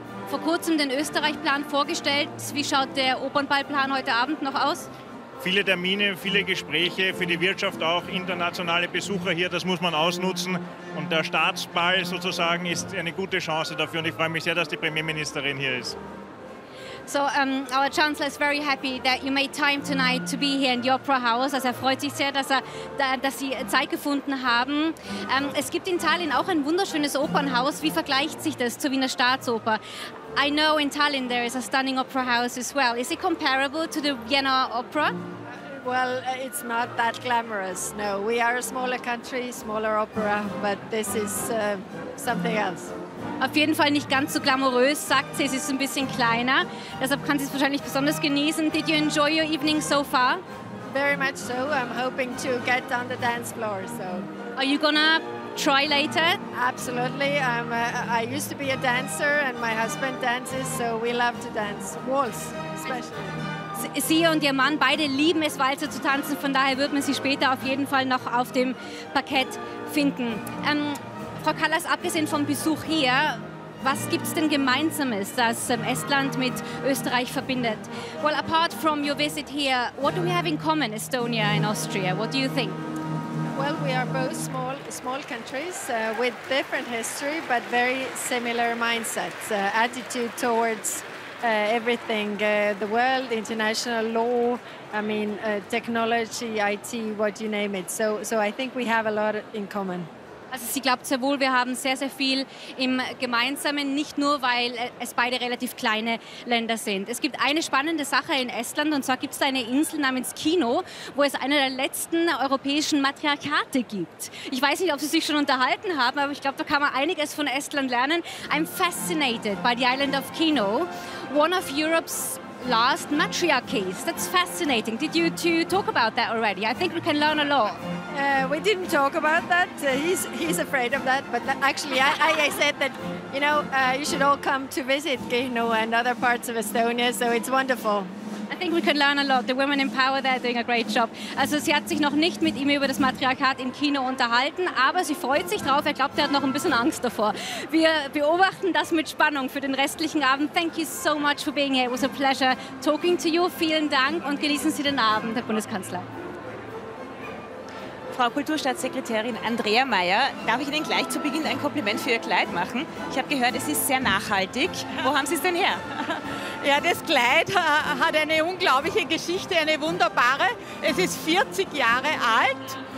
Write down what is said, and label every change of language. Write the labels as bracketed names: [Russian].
[German] Vor kurzem den Österreich-Plan vorgestellt. Wie schaut der Opernballplan heute Abend noch aus? Viele Termine, viele Gespräche, für die Wirtschaft auch, internationale Besucher hier, das muss man ausnutzen. Und der Staatsball sozusagen ist eine gute Chance dafür. Und ich freue mich sehr, dass die Premierministerin hier ist. [English] So, our Chancellor is very happy that you made time tonight to be here in the Opera House. [German] Also er freut sich sehr, dass Sie Zeit gefunden haben. Es gibt in Tallinn auch ein wunderschönes Opernhaus. Wie vergleicht sich das zur Wiener Staatsoper? [English] I know in Tallinn there is a stunning opera house as well. Is it comparable to the Vienna Opera? Well, it's not that glamorous. No, we are a smaller country, smaller opera, but this is something else. [German] Auf jeden Fall nicht ganz so glamourös, sagt sie, es ist ein bisschen kleiner. Deshalb kann sie es wahrscheinlich besonders genießen. [English] Did you enjoy your evening so far? Very much so. I'm hoping to get on the dance floor. So. Are you gonna try later? Absolutely. I used to be a dancer and my husband dances, so we love to dance. Waltz, especially. [German] Sie und Ihr Mann, beide lieben es, Walzer zu tanzen. Von daher wird man Sie später auf jeden Fall noch auf dem Parkett finden. Frau Kallas, abgesehen vom Besuch hier, was gibt es denn Gemeinsames, das Estland mit Österreich verbindet? [English] Well, apart from your visit here, what do we have in common, Estonia and Austria? What do you think? Well, we are both small countries with different history, but very similar mindsets, attitude towards everything, the world, international law, I mean, technology, IT, what you name it. So I think we have a lot in common. [German] Also sie glaubt sehr wohl, wir haben sehr, sehr viel im Gemeinsamen, nicht nur, weil es beide relativ kleine Länder sind. Es gibt eine spannende Sache in Estland und zwar gibt es da eine Insel namens Kino, wo es eine der letzten europäischen Matriarchate gibt. Ich weiß nicht, ob Sie sich schon unterhalten haben, aber ich glaube, da kann man einiges von Estland lernen. I'm fascinated by the island of Kino, one of Europe's last matriarchies. That's fascinating. Did you two talk about that already? I think we can learn a lot. We didn't talk about that. He's afraid of that. But actually, I said that, you know, you should all come to visit Kino and other parts of Estonia. So it's wonderful. I think we can learn a lot. The women in power there are doing a great job. Also sie hat sich noch nicht mit ihm über das Matriarchat im Kino unterhalten, aber sie freut sich drauf. Er glaubt, er hat noch ein bisschen Angst davor. Wir beobachten das mit Spannung für den restlichen Abend. [English] Thank you so much for being here. It was a pleasure talking to you. [German] Vielen Dank und genießen Sie den Abend, Herr Bundeskanzler. Frau Kulturstaatssekretärin Andrea Mayer, darf ich Ihnen gleich zu Beginn ein Kompliment für Ihr Kleid machen? Ich habe gehört, es ist sehr nachhaltig. Wo haben Sie es denn her? Ja, das Kleid hat eine unglaubliche Geschichte, eine wunderbare. Es ist 40 Jahre alt